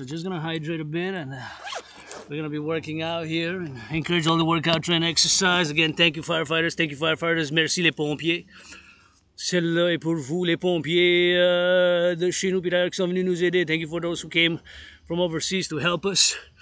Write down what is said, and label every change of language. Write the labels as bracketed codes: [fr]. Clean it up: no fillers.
[en] So just gonna hydrate a bit, and we're gonna be working out here and encourage all the workout, train, exercise. Again, thank you, firefighters. Thank you, firefighters. [fr] Merci, les pompiers. Celle-là est pour vous, les pompiers de chez nous, Peter, qui sont venus nous aider. [en] Thank you for those who came from overseas to help us.